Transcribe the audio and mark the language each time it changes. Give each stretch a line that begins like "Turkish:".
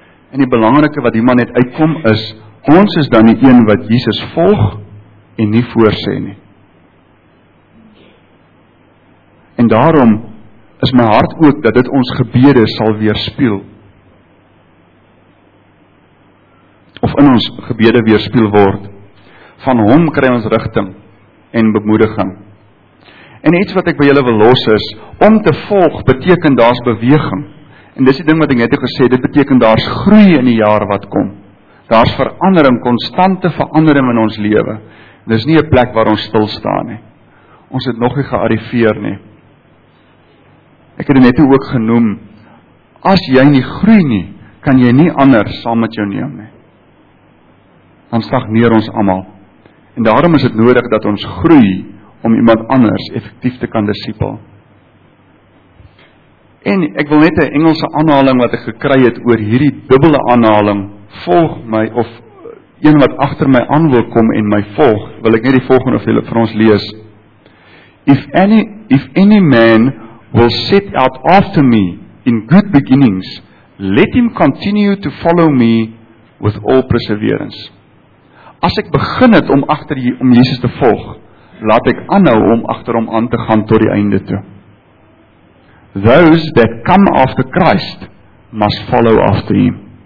Afrikaans: En die belangrike wat hierman net uitkom is, ons is dan die een wat Jesus volg en nie voorsê nie. En daarom is my hart ook dat dit ons gebede sal weerspieël. Of in ons gebede weerspieël word. Van hom kry ons rigting en bemoediging. En iets wat ek by julle wil los is, om te volg beteken daar's beweging. En dis die ding wat ek net gesê, dit beteken daar's groei in die jaar wat kom. Daar's verandering, konstante verandering in ons lewe. Dis nie 'n plek waar ons stil staan nie. Ons het nog nie gearriveer nie. Ek het dit net ook genoem, as jy nie groei nie, kan jy nie ander saam met jou neem nie. Dan stagneer ons almal. En daarom is dit nodig dat ons groei om iemand anders effektief te kan disipel. En ek wil net 'n Engelse aanhaling wat ek gekry het oor hierdie dubbele aanhaling, volg my of een wat agter my aan wil kom en my volg, wil ek net die volgende vir julle vir ons lees.
English: If any man will set out after me in good beginnings, let him continue to follow me with all perseverance.
Afrikaans: As ek begin het om Jesus te volg, laat ek aanhou om agter hom aan te gaan tot die einde toe.
English: Those that come after Christ must follow after him.